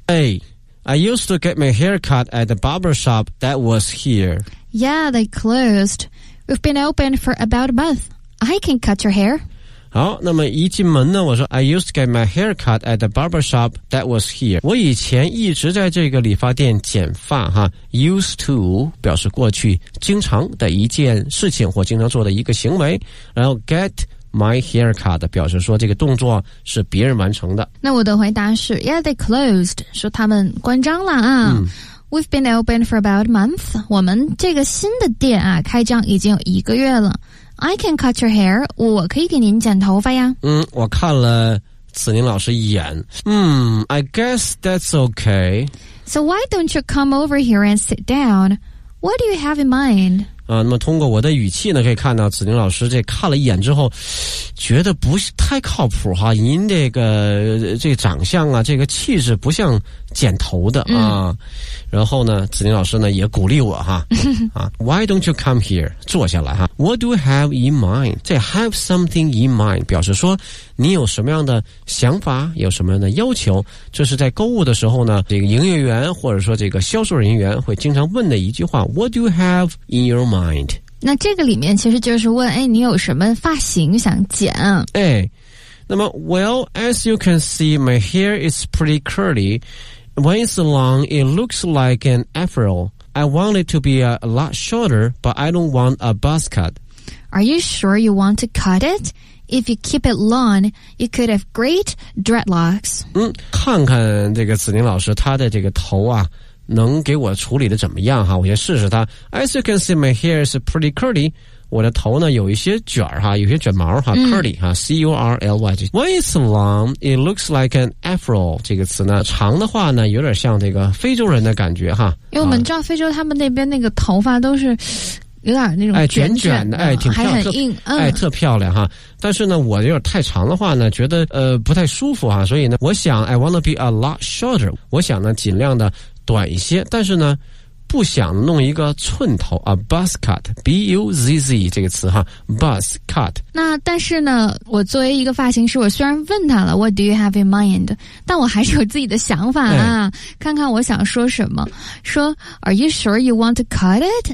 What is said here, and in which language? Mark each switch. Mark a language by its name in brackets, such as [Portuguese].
[English] I used to get my haircut at the barber shop that was here. Yeah, they closed. We've been open for about a month. I can cut your hair. [Chinese] 好，那么一进门呢，我说 [English] I used to get my haircut at the barber shop that was here. [Chinese] 我以前一直在这个理发店剪发哈。 [English] Used to [Chinese] 表示过去经常的一件事情或经常做的一个行为，然后 [English] get my haircut [Chinese] 表示说这个动作是别人完成的。那我的回答是 [English] Yeah, they closed， [Chinese] 说他们关张了啊。 [English] We've been open for about a month， [Chinese] 我们这个新的店啊开张已经有一个月了。 [English] I can cut your hair， [Chinese] 我可以给您剪头发呀。我看了子宁老师一眼。 [English] I guess that's okay. So why don't you come over here and sit down? What do you have in mind? [Chinese] 那么通过我的语气呢可以看到子宁老师这看了一眼之后觉得不太靠谱哈，您这个长相啊这个气质不像剪头的啊。然后呢子宁老师呢也鼓励我哈 [English] Why don't you come here， [Chinese] 坐下来哈。 [English] What do you have in mind， [Chinese] 这 [English] have something in mind [Chinese] 表示说你有什么样的想法，有什么样的要求，这是在购物的时候呢这个营业员或者说这个销售人员会经常问的一句话。 [English] What do you have in your mind， [Chinese] 那这个里面其实就是问你有什么发型想剪。那么 [English] Well as you can see my hair is pretty curlyWhen it's long, it looks like an afro. I want it to be a lot shorter, but I don't want a buzz cut. Are you sure you want to cut it? If you keep it long, you could have great dreadlocks. [Chinese] 看看这个子宁老师他的这个头啊能给我处理的怎么样哈，我先试试他。 [English] As you can see, my hair is pretty curly. [Chinese] 我的头呢有一些卷哈，有些卷毛哈、curly 哈 ,C-U-R-L-Y。 [English] When it's long, it looks like an afro. [Chinese] 这个词呢长的话呢有点像这个非洲人的感觉哈。因为我们知道非洲他们那边那个头发都是有点那种卷卷的挺漂亮，还很硬，特漂亮哈。但是呢我有点太长的话呢觉得不太舒服哈，所以呢我想 [English] I wanna be a lot shorter. [Chinese] 我想呢尽量的短一些，但是呢不想弄一个寸头啊 ，buzz cut， b u z z 这个词哈 ，buzz cut。那但是呢，我作为一个发型师，我虽然问他了 ， [English] What do you have in mind？ [Chinese] 但我还是有自己的想法啊、哎，看看我想说什么。说 [English] ，Are you sure you want to cut it？